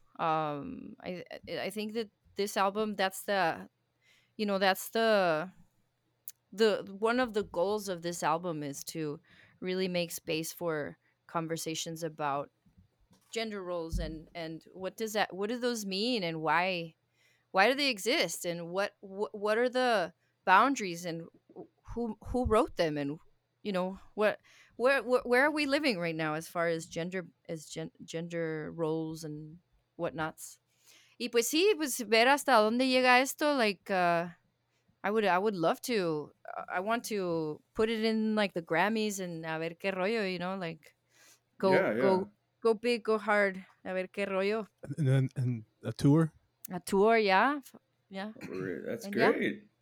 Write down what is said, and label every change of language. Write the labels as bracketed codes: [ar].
[en] I think that this album, that's the one of the goals of this album is to really make space for conversations about gender roles and what do those mean and why. Why do they exist, and what are the boundaries, and who wrote them, and you know where are we living right now as far as gender roles and whatnots? [es] Y pues sí, pues ver hasta dónde llega esto. [en] Like I would love to. I want to put it in like the Grammys and [es] a ver qué rollo, [en] you know, like go big, go hard. [es] A ver qué rollo. [en] And then and a tour. A tour, yeah, yeah. That's and great. Yeah.